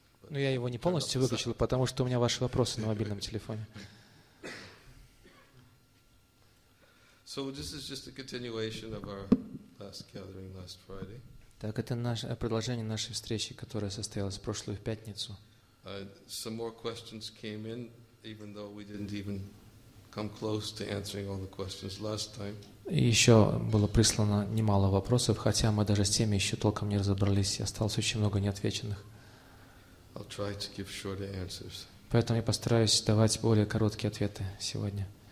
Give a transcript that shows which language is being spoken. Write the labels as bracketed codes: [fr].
[ru] Но я его не полностью выключил, потому что у меня ваши вопросы на мобильном телефоне. [en] So this is just a continuation of our last gathering last Friday. [ru] Так это наше продолжение нашей встречи, которая состоялась в прошлую пятницу. [en] Some more questions came in, even though we didn't even come close to answering all the questions last time. [ru] И еще было прислано немало вопросов, хотя мы даже с теми еще толком не разобрались, и осталось очень много неотвеченных. [en] I'll try to give shorter answers. [ru] Поэтому я постараюсь давать более короткие ответы сегодня.